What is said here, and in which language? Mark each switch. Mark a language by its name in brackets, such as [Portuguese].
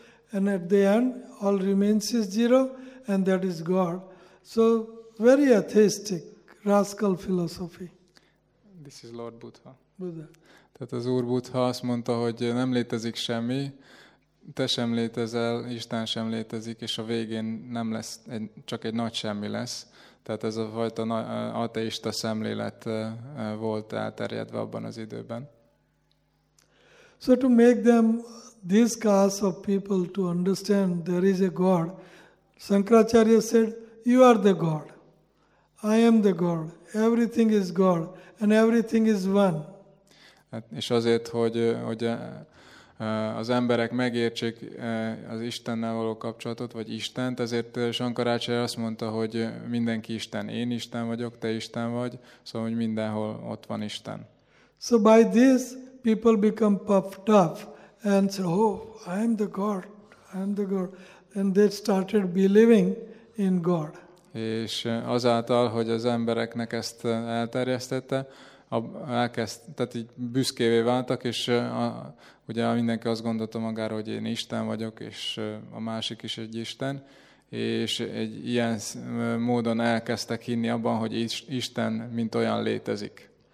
[English] And at the end, all remains is zero, and that is God. So, very atheistic, rascal philosophy. This is Lord Buddha. Buddha. [Hungarian] Tehát az Úr Buddha azt mondta, hogy nem létezik semmi, te sem létezel, Isten sem létezik, és a végén nem lesz, csak egy nagy semmi lesz. Tehát ez a fajta ateista szemlélet volt elterjedve abban az időben. [English] So to make them, this class of people, to understand there is a God, Sankaracharya said, you are the God. I am the God. Everything is God. And everything is one. [Hungarian] És azért, hogy az emberek megértsék az Istennel való kapcsolatot, vagy Istent, ezért Sankaracharya azt mondta, hogy mindenki Isten. Én Isten vagyok, te Isten vagy, szóval hogy mindenhol ott van Isten. [English] So by this, people become puffed up and say, oh, I am the God, I am the God. And they started believing in God. [Hungarian] És azáltal, hogy az embereknek ezt elterjesztette, tehát így büszkévé váltak, és ugye mindenki azt gondolta magára, hogy én Isten vagyok, és a másik is egy Isten, és egy ilyen módon elkezdtek hinni abban, hogy Isten mint olyan létezik.